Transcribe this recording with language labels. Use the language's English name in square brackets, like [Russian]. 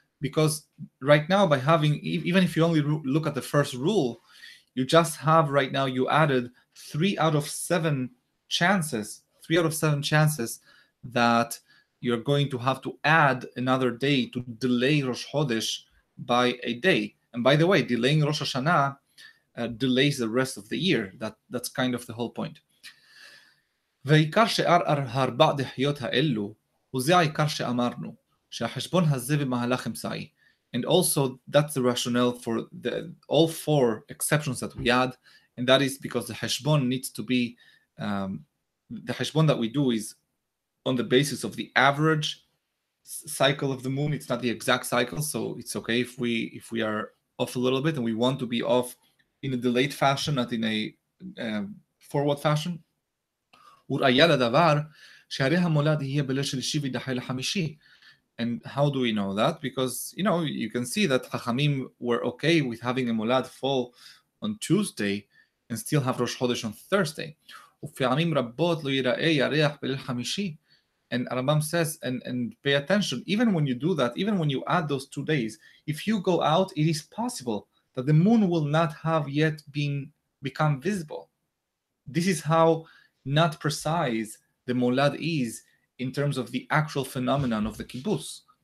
[English] Because right now, by having, even if you only look at the first rule, you just have right now, you added three out of seven chances that you're going to have to add another day to delay Rosh Chodesh by a day. And by the way, delaying Rosh Hashanah delays the rest of the year. That's kind of the whole point. [Hebrew] ועיקר שאר הרבה דחיות האלו, הוא זה העיקר שאמרנו, שהחשבון הזה במהלך המצאי. [English] And also, that's the rationale for the all four exceptions that we add, and that is because the Heshbon needs to be, the Heshbon that we do is on the basis of the average cycle of the moon. It's not the exact cycle, so it's okay if we are off a little bit and we want to be off in a delayed fashion, not in a forward fashion. [Hebrew] וראיה לדבר שהרי המולד יהיה בליל שלישי וידחה לחמישי. [English] And how do we know that? Because, you know, you can see that Chachamim were okay with having a molad fall on Tuesday and still have Rosh Chodesh on Thursday. [Hebrew] ופעמים רבות לא ייראה ירח בליל חמישי. [English] And Rambam says, and pay attention, even when you do that, even when you add those 2 days, if you go out, it is possible that the moon will not have yet become visible. This is how not precise the molad is in terms of the actual phenomenon of the kibbutz.